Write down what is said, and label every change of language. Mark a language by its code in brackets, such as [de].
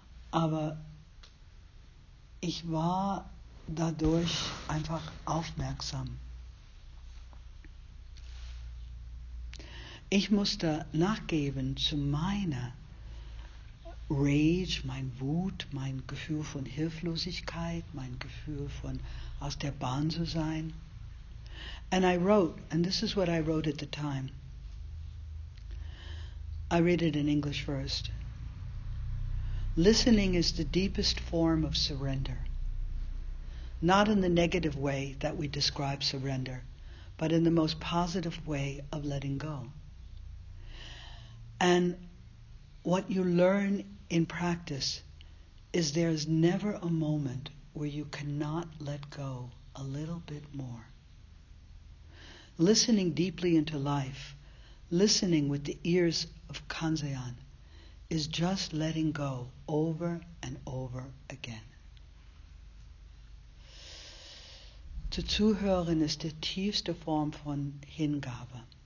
[de] Aber ich war dadurch einfach aufmerksam. Ich musste nachgeben zu meiner Rage, mein Wut, mein Gefühl von Hilflosigkeit, mein Gefühl von aus der Bahn zu sein. [en] And I wrote, and this is what I wrote at the time. I read it in English first. Listening is the deepest form of surrender. Not in the negative way that we describe surrender, but in the most positive way of letting go. And what you learn in practice is there is never a moment where you cannot let go a little bit more. listening deeply into life, listening with the ears of Kanzayan, is just letting go over and over again. [de] Zu zuhören ist die tiefste Form von Hingabe.